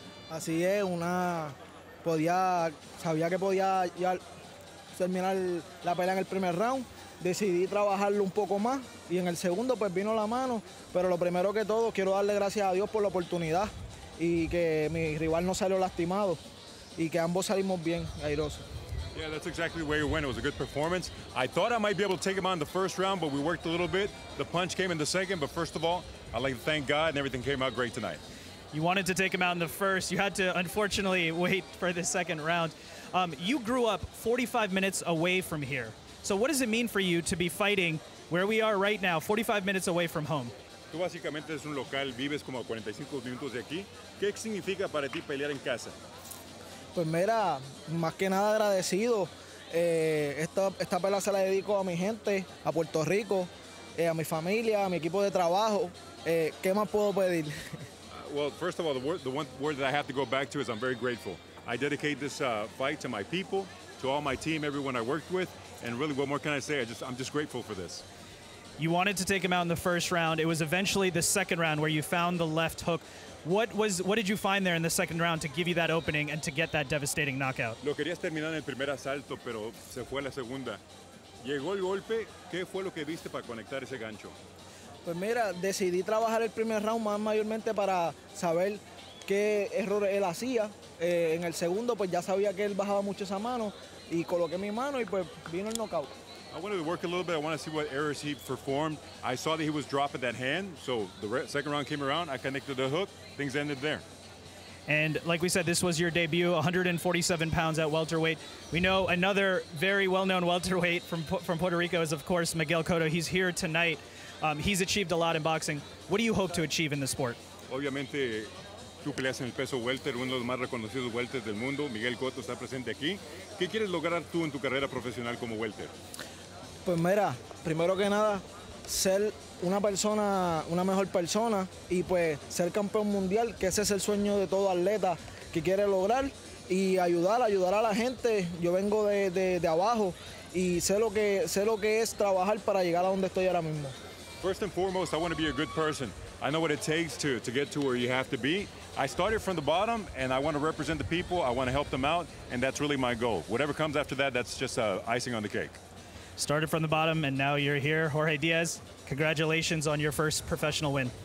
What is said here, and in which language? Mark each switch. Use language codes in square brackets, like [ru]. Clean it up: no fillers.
[es] Así es, una podía, sabía que podía ya terminar la pelea en el primer round, decidí trabajarlo un poco más y en el segundo pues vino la mano, pero lo primero que todo quiero darle gracias a Dios por la oportunidad y que mi rival no salió lastimado y que ambos salimos bien airosos. [en] Yeah, that's exactly where you went. It was a good performance. I thought I might be able to take him on the first round, but we worked a little bit. The punch came in the second, but first of all, I'd like to thank God, and everything came out great tonight. You wanted to take him out in the first. You had to, unfortunately, wait for the second round. You grew up 45 minutes away from here. So what does it mean for you to be fighting where we are right now, 45 minutes away from home? [es] Tú básicamente es un local, vives como a 45 minutos de aquí. ¿Qué significa para ti pelear en casa? Pues mira, más que nada agradecido. Esta pelea se la dedico a mi gente, a Puerto Rico, a mi familia, a mi equipo de trabajo. ¿Qué más puedo pedir? [en] Well, first of all, the one word that I have to go back to is I'm very grateful. I dedicate this fight to my people, to all my team, everyone I worked with, and really, what more can I say? I'm just grateful for this. You wanted to take him out in the first round. It was eventually the second round where you found the left hook. What did you find there in the second round to give you that opening and to get that devastating knockout? [es] Lo querías terminar en el primer asalto, pero se fue a la segunda. Llegó el golpe. ¿Qué fue lo que viste para conectar ese gancho? Pues mira, decidí trabajar el primer round más mayormente para saber qué error él hacía. En el segundo, pues ya sabía que él bajaba mucho esa mano y coloqué mi mano y pues vino el knockout. [en] I wanted to work a little bit. I want to see what errors he performed. I saw that he was dropping that hand, so the second round came around. I connected the hook. Things ended there. And like we said, this was your debut, 147 pounds at welterweight. We know another very well-known welterweight from Puerto Rico is, of course, Miguel Cotto. He's here tonight. He's achieved a lot in boxing. What do you hope to achieve in the sport? [es] Obviamente, tú peleas en el peso welter, uno de los más reconocidos welters del mundo. Miguel Cotto está presente aquí. ¿Qué quieres lograr tú en tu carrera profesional como welter? Pues mira, primero que nada, ser una persona, una mejor persona y pues ser campeón mundial, que ese es el sueño de todo atleta que quiere lograr y ayudar a la gente. Yo vengo de abajo y sé lo que es trabajar para llegar a donde estoy ahora mismo. [en] First and foremost, I want to be a good person. I know what it takes to get to where you have to be. I started from the bottom and I want to represent the people. I want to help them out and that's really my goal. Whatever comes after that, that's just icing on the cake. Started from the bottom, and now you're here. Jorge Diaz, congratulations on your first professional win.